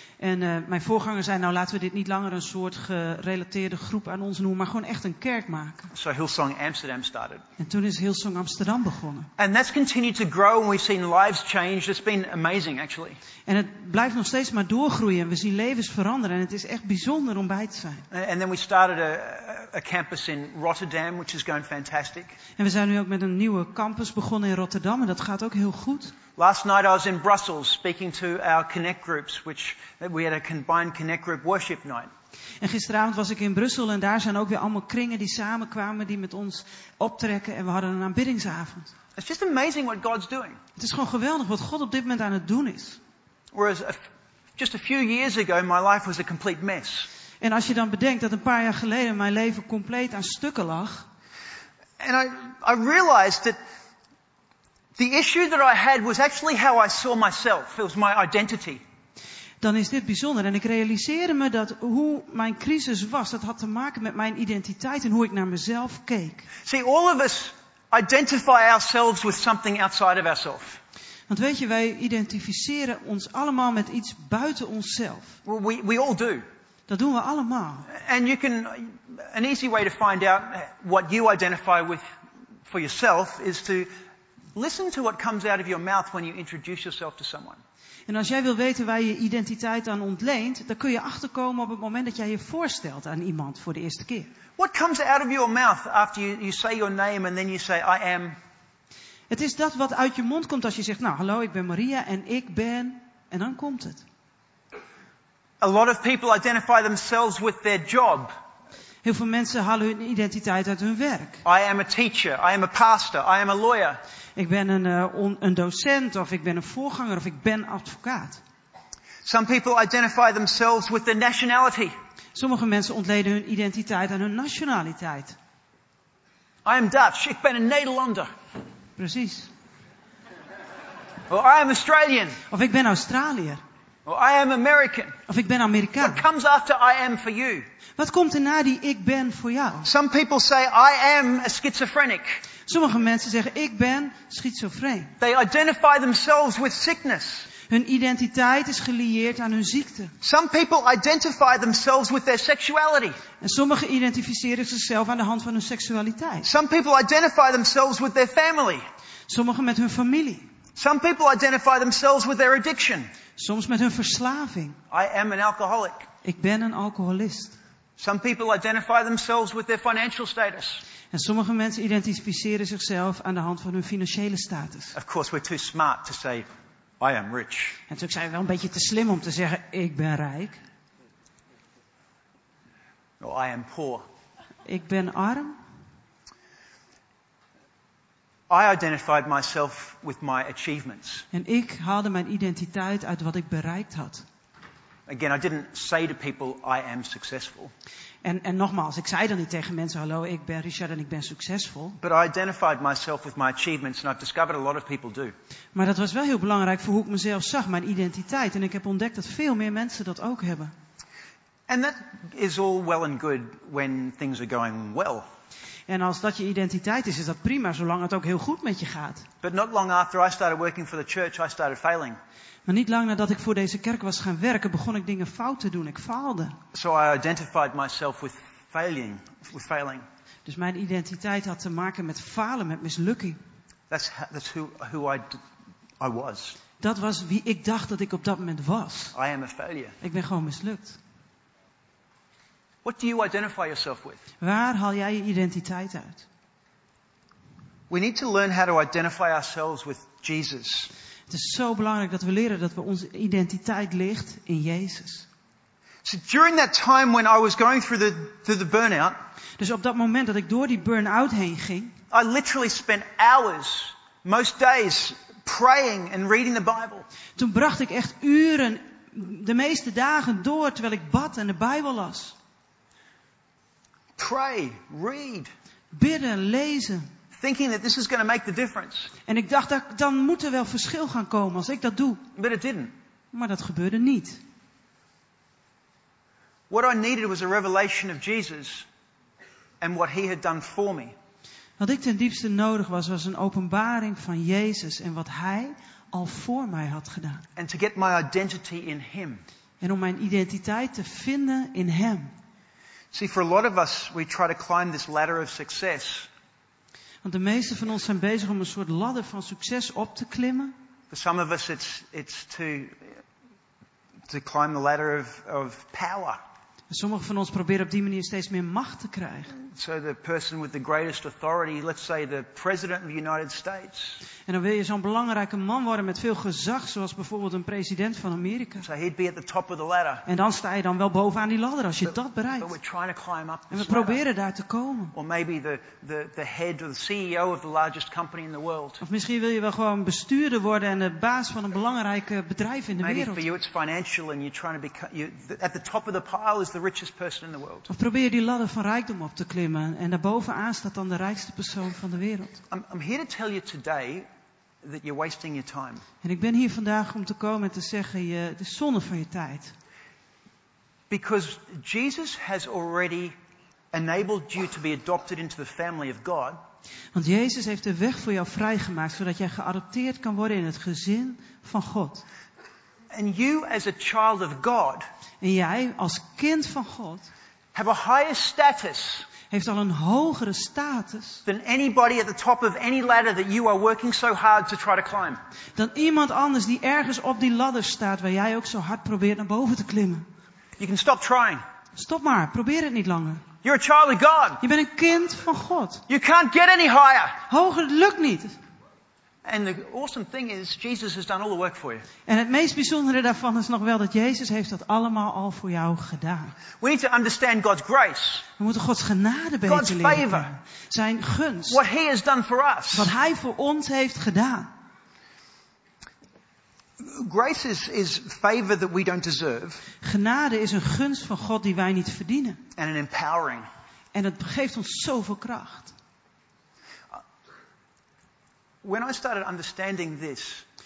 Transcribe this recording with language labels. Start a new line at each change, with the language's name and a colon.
Dutch: En mijn voorganger zei, nou laten we dit niet langer een soort gerelateerde groep aan ons noemen, maar gewoon echt een kerk maken.
English: So Hillsong Amsterdam started.
Dutch: En toen is Hillsong Amsterdam begonnen.
English: And that's continued to grow and we've seen lives change. It's been amazing actually.
Dutch: En het blijft nog steeds maar doorgroeien en we zien levens veranderen en het is echt bijzonder om bij te zijn.
English: And then we started a campus in Rotterdam, which is going fantastic.
Dutch: En we zijn nu ook met een nieuwe campus begonnen in Rotterdam en dat gaat ook heel goed.
English: Last night I was in Brussels speaking to our connect groups, which we had a combined connect group worship night.
Dutch: En gisteravond was ik in Brussel en daar zijn ook weer allemaal kringen die samenkwamen die met ons optrekken en we hadden een aanbiddingsavond.
English: It's just amazing what God's doing.
Dutch: Het is gewoon geweldig wat God op dit moment aan het doen is.
English: Whereas just a few years ago my life was a complete mess.
Dutch: En als je dan bedenkt dat een paar jaar geleden mijn leven compleet aan stukken lag.
English: And I realized that the issue that I had was actually how I saw myself. It was my identity.
Dutch: Dan is dit bijzonder. En ik realiseerde me dat hoe mijn crisis was, dat had te maken met mijn identiteit en hoe ik naar mezelf keek.
English: See, all of us identify ourselves with something outside of ourselves.
Dutch: Want weet je, wij identificeren ons allemaal met iets buiten onszelf.
English: Well, we all do.
Dutch: Dat doen we allemaal.
English: And you can, an easy way to find out what you identify with for yourself is to listen to what comes out of your mouth when you introduce yourself to someone.
Dutch: En als jij wil weten waar je identiteit aan ontleent, dan kun je achterkomen op het moment dat jij je voorstelt aan iemand voor de eerste keer.
English: What comes out of your mouth after you say your name and then you say I am?
Dutch: Het is dat wat uit je mond komt als je zegt: "Nou, hallo, ik ben Maria en ik ben." En dan komt het.
English: A lot of people identify themselves with their job.
Dutch: Heel veel mensen halen hun identiteit uit hun werk.
English: I am a teacher, I am a pastor, I am a lawyer.
Dutch: Ik ben een docent of ik ben een voorganger of ik ben advocaat.
English: Some people identify themselves with their nationality.
Dutch: Sommige mensen ontleden hun identiteit aan hun nationaliteit.
English: I am Dutch,
Dutch: ik ben een Nederlander. Precies.
English: Or I am Australian.
Dutch: Of ik ben Australiër.
English: Well, I am American.
Dutch: Of ik ben Amerikaan.
English: What comes after I am for you?
Dutch: Wat komt erna die ik ben voor jou?
English: Some people say I am a schizophrenic.
Dutch: Sommige mensen zeggen ik ben schizofreen.
English: They identify themselves with sickness.
Dutch: Hun identiteit is gelieerd aan hun ziekte.
English: Some people identify themselves with their sexuality.
Dutch: En sommigen identificeren zichzelf aan de hand van hun seksualiteit.
English: Some people identify themselves with their family.
Dutch: Sommigen met hun familie.
English: Some people identify themselves with their addiction.
Dutch: Soms met hun verslaving.
English: I am an alcoholic.
Dutch: Ik ben een alcoholist.
English: Some people identify themselves with their financial status.
Dutch: En sommige mensen identificeren zichzelf aan de hand van hun financiële status.
English: Of course we're too smart to say I am rich.
Dutch: En natuurlijk zijn we wel een beetje te slim om te zeggen ik ben rijk.
English: Or I am poor.
Dutch: Ik ben arm.
English: I identified myself with my achievements.
Dutch: En ik haalde mijn identiteit uit wat ik bereikt had.
English: Again, I didn't say to people I am successful.
Dutch: En nogmaals, ik zei dan niet tegen mensen hallo, ik ben Richard en ik ben succesvol.
English: But I identified myself with my achievements and I've discovered a lot of people do.
Dutch: Maar dat was wel heel belangrijk voor hoe ik mezelf zag, mijn identiteit, en ik heb ontdekt dat veel meer mensen dat ook hebben.
English: And that is all well and good when things are going well.
Dutch: En als dat je identiteit is, is dat prima, zolang het ook heel goed met je gaat.
English: But not long after I started working for the church, I started failing.
Dutch: Maar niet lang nadat ik voor deze kerk was gaan werken, begon ik dingen fout te doen. Ik faalde.
English: So I identified myself with failing, with failing.
Dutch: Dus mijn identiteit had te maken met falen, met mislukking.
English: That's who I was.
Dutch: Dat was wie ik dacht dat ik op dat moment was.
English: I am a failure.
Dutch: Ik ben gewoon mislukt.
English: What do you identify yourself with?
Dutch: Waar haal jij je identiteit uit?
English: We need to learn how to identify ourselves with Jesus.
Dutch: Het is zo belangrijk dat we leren dat we onze identiteit ligt in Jezus.
English: So during that time when I was going through the burnout.
Dutch: Dus op dat moment dat ik door die burn-out heen ging,
English: I literally spent hours, most days, praying and reading the Bible.
Dutch: Toen bracht ik echt uren, de meeste dagen door terwijl ik bad en de Bijbel las.
English: Pray, read.
Dutch: Bidden, lezen.
English: Thinking that this is going to make the difference.
Dutch: En ik dacht, dan moet er wel verschil gaan komen als ik dat doe.
English: But it didn't.
Dutch: Maar dat gebeurde niet.
English: What I needed was a revelation of Jesus and what he had done for me.
Dutch: Wat ik ten diepste nodig was, was een openbaring van Jezus en wat hij al voor mij had gedaan.
English: And to get my identity in him.
Dutch: En om mijn identiteit te vinden in hem.
English: See, for a lot of us, we try to climb this ladder of success.
Dutch: Want de meeste van ons zijn bezig om een soort ladder van succes op te klimmen.
English: For some of us, it's to climb the ladder of power.
Dutch: En sommige van ons proberen op die manier steeds meer macht te krijgen.
English: So the person with the greatest authority, let's say the president of the United States.
Dutch: En dan wil je zo'n belangrijke man worden met veel gezag, zoals bijvoorbeeld een president van Amerika.
English: So he'd be at the top of the ladder.
Dutch: En dan sta je dan wel bovenaan die ladder als je dat bereikt.
English: But we're trying to climb up.
Dutch: En we proberen daar te komen.
English: Or maybe the head or the CEO of the largest company in the world.
Dutch: Of misschien wil je wel gewoon bestuurder worden en de baas van een belangrijk bedrijf in de
English: maybe Maybe for you it's financial and you're trying to be at the top of the pile is the richest person in the world.
Dutch: Of probeer die ladder van rijkdom op te klimmen. En daarbovenaan staat dan de rijkste persoon van de wereld.
English: I'm here to tell you today that you're wasting your time.
Dutch: En ik ben hier vandaag om te komen en te zeggen, het is zonde van je tijd.
English: Because Jesus has already enabled you to be adopted into the family of God.
Dutch: Want Jezus heeft de weg voor jou vrijgemaakt, zodat jij geadopteerd kan worden in het gezin van God.
English: And you as a child of God.
Dutch: En jij als kind van God.
English: Have a higher status.
Dutch: Heeft al een hogere status
English: than anybody at the top of any ladder that you are working so hard to try to climb.
Dutch: Dan iemand anders die ergens op die ladder staat waar jij ook zo hard probeert naar boven te klimmen.
English: You can stop trying.
Dutch: Stop maar, probeer het niet langer.
English: You're a child of God.
Dutch: Je bent een kind van God.
English: You can't get any higher.
Dutch: Hoger lukt niet.
English: And the awesome thing is Jesus has done all the work for you.
Dutch: En het meest bijzondere daarvan is nog wel dat Jezus heeft dat allemaal al voor jou gedaan.
English: We need to understand God's grace.
Dutch: We moeten Gods genade beter
English: God's
Dutch: leren.
English: Favor.
Dutch: Zijn gunst.
English: What he has done for us.
Dutch: Wat hij voor ons heeft gedaan.
English: Grace is favor that we don't deserve.
Dutch: Genade is een gunst van God die wij niet verdienen.
English: And an empowering.
Dutch: En het geeft ons zoveel kracht.
English: When I started understanding this,